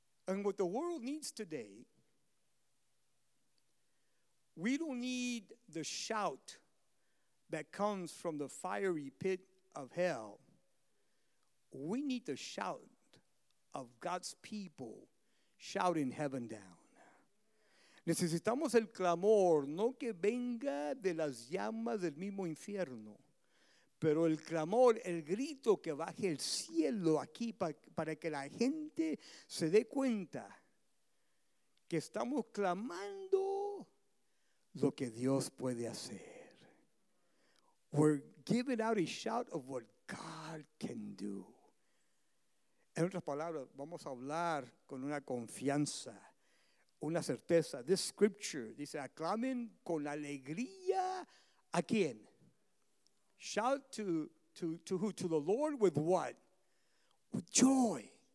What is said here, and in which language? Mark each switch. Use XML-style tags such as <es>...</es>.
<en>And what the world needs today, we don't need the shout that comes from the fiery pit of hell. We need the shout of God's people shouting heaven down.</en> <es>Necesitamos el clamor, no que venga de las llamas del mismo infierno, pero el clamor, el grito que baje el cielo aquí para que la gente se dé cuenta que estamos clamando lo que Dios puede hacer.</es> <en>We're giving out a shout of what God can do.</en> <es>En otras palabras, vamos a hablar con una confianza, una certeza.</es> <en>This scripture</en> <es>dice, aclamen con alegría a quién.</es> <en>Shout to who? To the Lord with what? With joy.</en>